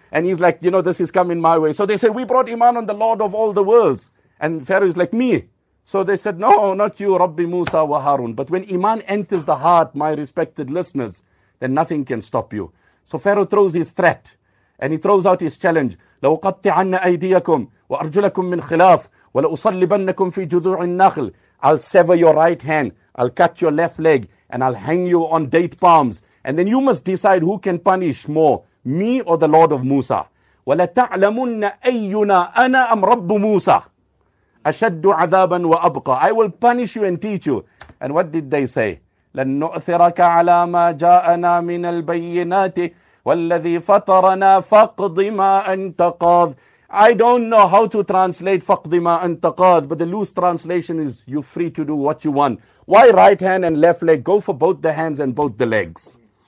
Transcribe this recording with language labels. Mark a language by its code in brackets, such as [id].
[en] And he's like, you know, this is coming my way. So they say, we brought Iman on the Lord of all the worlds. And Pharaoh is like, me. So they said, no, not you, [ar] Rabbi Musa wa Harun. [en] But when Iman enters the heart, my respected listeners, then nothing can stop you. So Pharaoh throws his threat. And he throws out his challenge. [ar] لَوَقَطِّعَنَّ أَيْدِيَكُمْ وَأَرْجُلَكُمْ مِنْ خِلَافٍ وَلَأُصَلِّبَنَّكُمْ فِي جُذُوعِ النَّخْلِ [en] I'll sever your right hand. I'll cut your left leg. And I'll hang you on date palms. And then you must decide who can punish more, me or the Lord of Musa. [ar] وَلَتَعْلَمُنَّ أَيُّنَا أَنَا أَمْ رَبُّ مُوسَى أَشَدُّ عَذَابًا وَأَبْقَى [en] I will punish you and teach you. And what did they say? [ar] لَنْ نُؤْثِرَكَ عَلَى مَا جَاءَنَا مِنَ الْبَيِّنَاتِ وَالَّذِي فَطَرَنَا فَقْضِ مَا أَنْتَ قَاض [en] I don't know how to translate [ar] فَقْضِ مَا أَنْتَ قَاض [en] But the loose translation is, you're free to do what you want. Why right hand and left leg? Go for both the hands and both the legs.